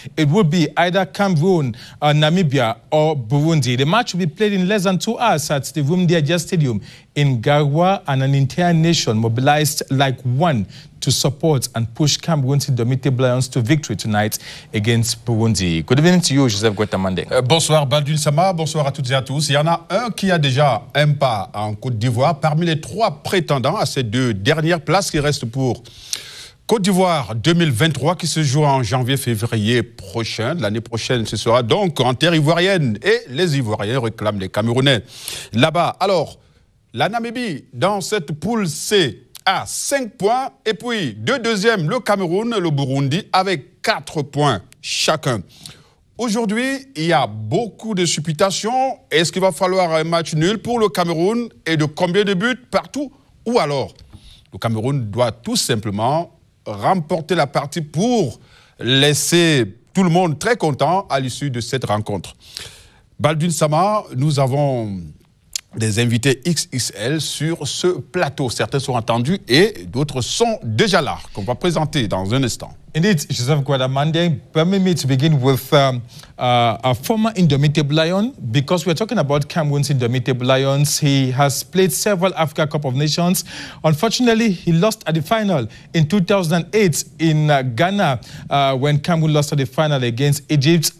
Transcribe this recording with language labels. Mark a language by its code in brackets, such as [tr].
[en] It will be either Cameroon, Namibia or Burundi. The match will be played in less than 2 hours at the Rumdiaja Stadium in Garoua, and an entire nation mobilized like one to support and push Cameroon's indomitable Lions to victory tonight against Burundi. Good evening to you, Joseph Guettamandé. [fr] Bonsoir, Baldwin Sama. Bonsoir à toutes et à tous. Il y en a un qui a déjà un pas en Côte d'Ivoire. Parmi les trois prétendants à ces deux dernières places qui restent pour Côte d'Ivoire 2023, qui se joue en janvier-février prochain, l'année prochaine, ce sera donc en terre ivoirienne. Et les Ivoiriens réclament les Camerounais là-bas. Alors, la Namibie, dans cette poule C, à 5 points, et puis deux deuxièmes, le Cameroun et le Burundi, avec 4 points chacun. Aujourd'hui, il y a beaucoup de supputations. Est-ce qu'il va falloir un match nul pour le Cameroun et de combien de buts partout? Ou alors, le Cameroun doit tout simplement remporter la partie pour laisser tout le monde très content à l'issue de cette rencontre. Baldwin Sama, nous avons des invités XXL sur ce plateau. Certains sont attendus et d'autres sont déjà là, qu'on va présenter dans un instant. [en] Indeed, Joseph Guettamandé, permit me to begin with a former indomitable Lion, because we're talking about Cameroon's indomitable Lions. He has played several Africa Cup of Nations. Unfortunately, he lost at the final in 2008 in Ghana, when Cameroon lost at the final against Egypt.